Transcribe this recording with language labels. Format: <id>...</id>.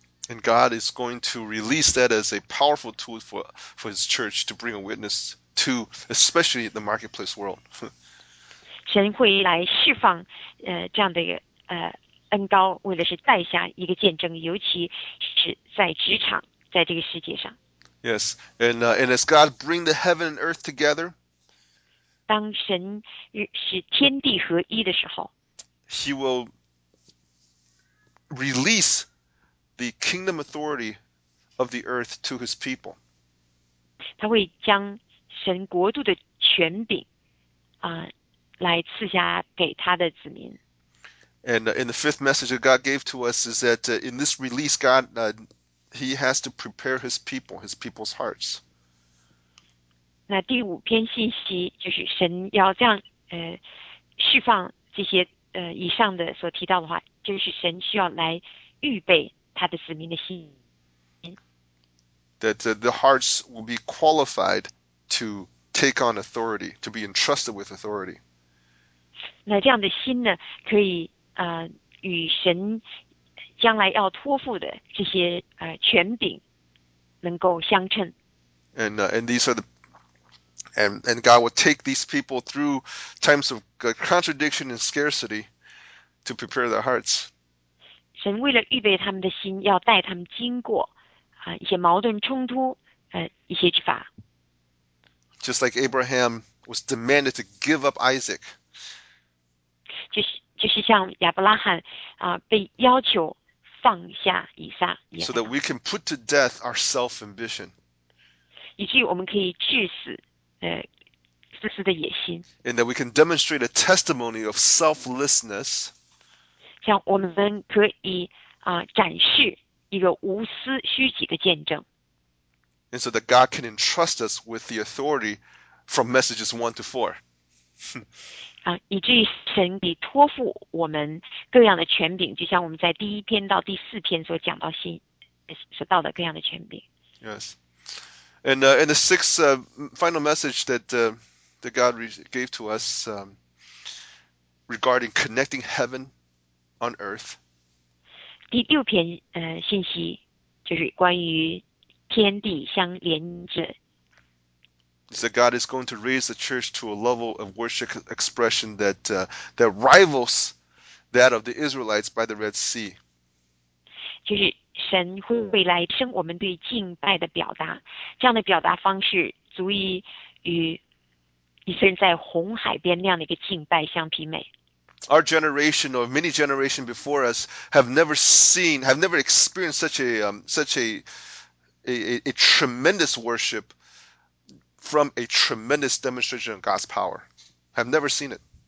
<en>And God is going to release that as a powerful tool for His church to bring a witness to, especially the marketplace world.</en> <zh>神会来释放这样的一个恩膏，为了是带下一个见证，尤其是在职场，在这个世界上。</zh> <en>Yes, and as God bring the heaven and earth together,</en> <zh>当神使天地合一的时候，</zh> <en>He will release the kingdom authority of the earth to His people.</en> <zh>他会将神国度的权柄来赐下给他的子民。</zh> <en>And in the fifth message that God gave to us is that in this release, God, He has to prepare His people, His people's hearts.</en> <zh>那第五篇信息就是神要这样释放这些以上的所提到的话，就是神需要来预备他的子民的心。</zh> <en>That the hearts will be qualified to take on authority, to be entrusted with authority.</en> <zh>那这样的心呢，可以与神将来要托付的这些权柄能够相称。</zh> <en>And God will take these people through times of contradiction and scarcity to prepare their hearts.</en> <zh>神为了预备他们的心，要带他们经过一些矛盾冲突一些执法。</zh> <en>Just like Abraham was demanded to give up Isaac.</en> <zh>就是像亚伯拉罕被要求放下以撒。</zh> <en>So that we can put to death our self-ambition.</en> <zh>以至于我们可以致死自私的野心。</zh> <en>And that we can demonstrate a testimony of selflessness.</en> <zh>像我们可以展示一个无私虚己的见证。</zh> <en>And so that God can entrust us with the authority from messages 1-4.</en> <zh>以至于神给托付我们各样的权柄，就像我们在第一篇到第四篇所讲到信所到的各样的权柄。</zh> <en>Yes, and the sixth final message that God gave to us regarding connecting heaven on earth.</en> <zh>第六篇信息就是关于天地相连着。</zh> <en>Is that God is going to raise the church to a level of worship expression that rivals that of the Israelites by the Red Sea.</en> <zh>就是神会未来升我们对敬拜的表达，这样的表达方式足以与以色列在红海边那样的一个敬拜相媲美。</zh> <en>Our generation or many generations before us have never experienced such a tremendous worship from a tremendous demonstration of God's power. I've never seen it.</en>